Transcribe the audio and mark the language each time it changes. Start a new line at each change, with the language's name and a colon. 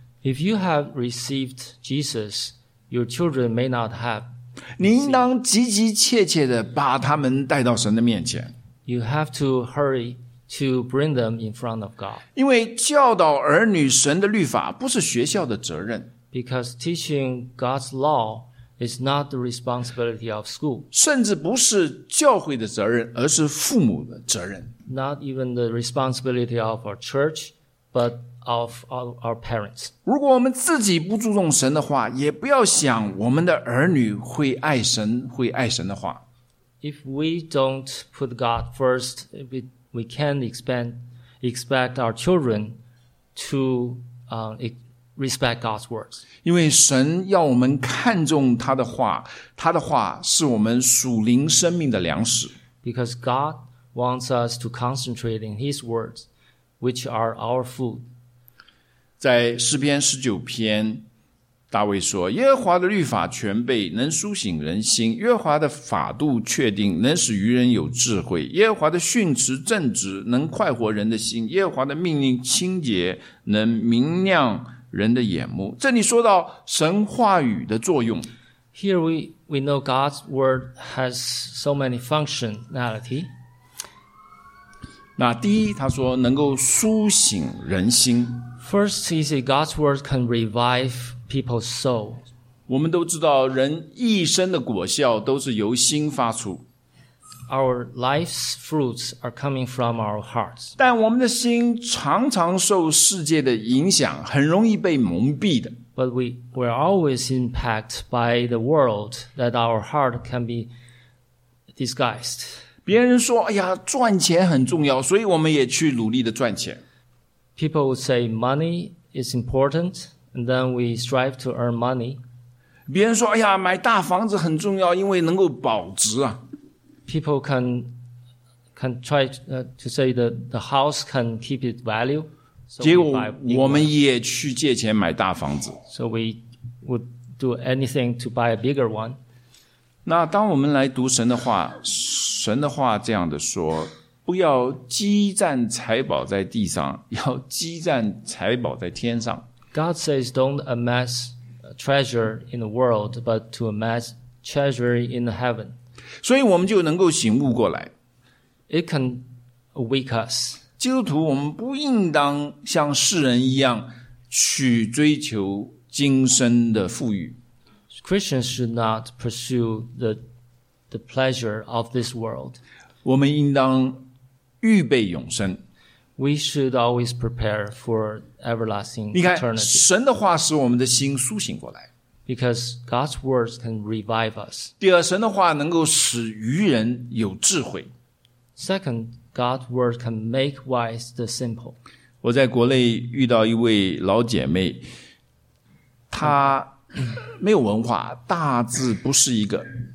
English: If you have received Jesus, your children may not have.
Chinese: 你应当急急切切的把他们带到神的面前。
English: You have to hurry to bring them in front of God.
Chinese: 因为教导儿女神的律法不是学校的责任。
English: Because teaching God's law is not the responsibility of school.
Chinese: 甚至不是教会的责任，而是父母的责任。
English: Not even the responsibility of our church, but of our parents.
Chinese: 如果我们自己不注重神的话，也不要想我们的儿女会爱神，会爱神的话。
English: If we don't put God first, we can't expect our children to respect God's words.
Chinese: 因为神要我们看重他的话，他的话是我们属灵生命的粮食。
English: Because God wants us to concentrate in His words, which are our food.
Chinese: 在诗篇十九篇，大卫说：“耶和华的律法全备，能苏醒人心；耶和华的法度确定，能使愚人有智慧；耶和华的训词正直，能快活人的心；耶和华的命令清洁，能明亮人的眼目。” 这里说到神话语的作用。
English: Here we know God's word has so many functionality.
Chinese: 那第一，他说能够苏醒人心。
English: First, he said God's word can revive people's soul.
Chinese: 我们都知道人一生的果效都是由心发出。
English: Our life's fruits are coming from our hearts.
Chinese: 但我们的心常常受世界的影响，很容易被蒙蔽的。
English: But we're always impacted by the world that our heart can be disguised.
Chinese: 别人说，哎呀，赚钱很重要，所以我们也去努力的赚钱。
English: People would say money is important, and then we strive to earn money.
Chinese: 别人说，哎呀，买大房子很重要，因为能够保值啊。
English: People can try to say that the house can keep its value. So
Chinese: 结果我们也去借钱买大房子。
English: So we would do anything to buy a bigger one.
Chinese: 那当我们来读神的话，神的话这样的说，不要积攒财宝在地上，要积攒财宝在天上。
English: God says, "Don't amass treasure in the world, but to amass treasure in the heaven."
Chinese: 所以我们就能够醒悟过来。
English: It can wake us.
Chinese: 基督徒，我们不应当像世人一样去追求今生的富裕。
English: Christians should not pursue the pleasure of this world.
Chinese: 我们应当预备永生。
English: We should always prepare for everlasting eternity.
Chinese: 神的话使我们的心苏醒过来。
English: Because God's words can revive us.
Chinese: 第二，神的话能够使愚人有智慧。
English: Second, God's words can make wise the simple.
Chinese: 我在国内遇到一位老姐妹，她没有文化，大字不是一个。